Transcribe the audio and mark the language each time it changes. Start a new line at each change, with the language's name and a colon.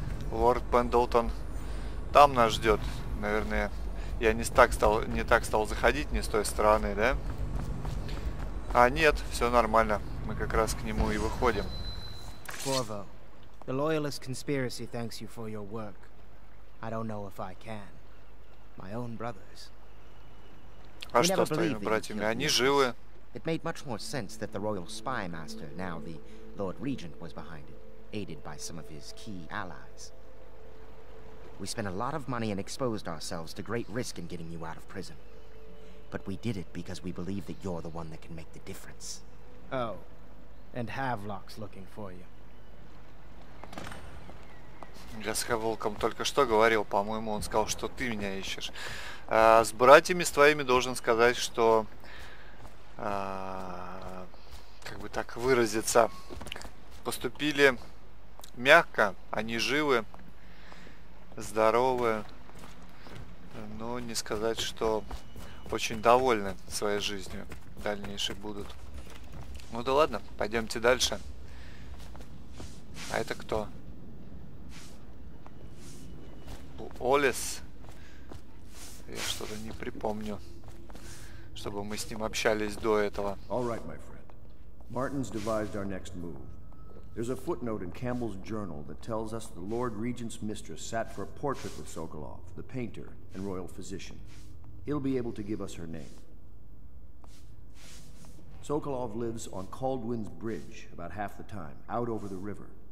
Russian: Лорд Пендлтон там нас ждет. Наверное, я не так стал заходить, не с той стороны, да? А нет, все нормально. Мы как раз к нему и выходим.
English: Corvo, The Loyalist Conspiracy thanks you for your work. I don't know if I can. My own brothers.
Russian: А что с твоими братьями? Они живы.
English: It made much more sense that the Royal Spymaster, now the Lord Regent, was behind it, aided by some of his key allies. We spent a lot of money and exposed ourselves to great risk in getting you out of prison. But we did it because we believe that you're the one that can make the difference. Oh, and Havelock's looking for you.
Russian: Я с Хэвлоком только что говорил, по-моему, он сказал, что ты меня ищешь. С братьями с твоими должен сказать, что... как бы так выразиться. Поступили мягко, они живы, здоровы, но не сказать, что очень довольны своей жизнью дальнейшей будут. Ну да ладно, пойдемте дальше. А это кто? Олес? Я что-то не припомню, чтобы мы с ним общались до этого.
English: All right, my friend. Martin's devised our next move. There's a footnote in Campbell's journal that tells us the Lord Regent's mistress sat for a portrait with Sokolov, the painter and royal physician. He'll be able to give us her name. Sokolov lives on Caldwin's Bridge about half the time, out over the river.